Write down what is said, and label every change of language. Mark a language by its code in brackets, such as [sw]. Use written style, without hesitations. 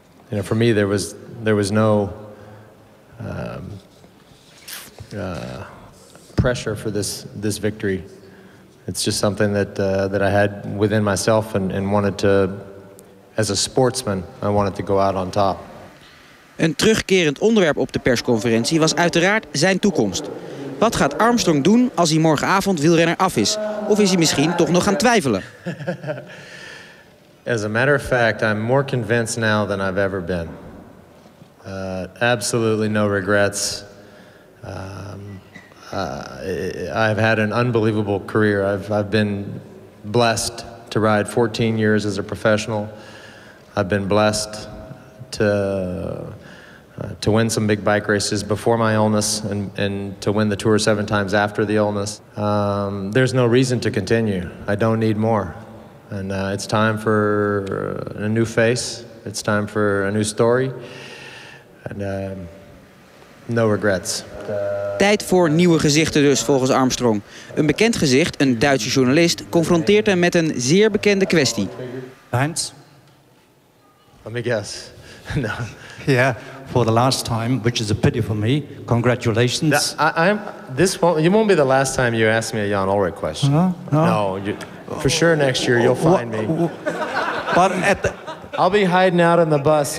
[en] You know, for me there was no pressure for this victory. It's just something that I had within myself and wanted to, as a sportsman, I wanted to go out on top. [nl] Een terugkerend onderwerp op de persconferentie was uiteraard zijn toekomst. Wat gaat Armstrong doen als hij morgenavond wielrenner af is? Of is hij misschien toch nog gaan twijfelen? [en] As a matter of fact, I'm more convinced now than I've ever been. Absolutely no regrets. I've had an unbelievable career. I've been blessed to ride 14 years as a professional. I've been blessed to win some big bike races before my illness and to win the Tour 7 times after the illness. There's no reason to continue. I don't need more. And it's time for a new face. It's time for a new story. And no regrets. [nl] Tijd voor nieuwe gezichten dus, volgens Armstrong. Een bekend gezicht, een Duitse journalist, confronteert hem met een zeer bekende kwestie. [en] Heinz? Let me guess. No. Yeah, for the last time, which is a pity for me. Congratulations. You won't be the last time you ask me a Jan Ulrich question. No. For sure next year you'll find me. But at the... I'll be hiding out on the bus.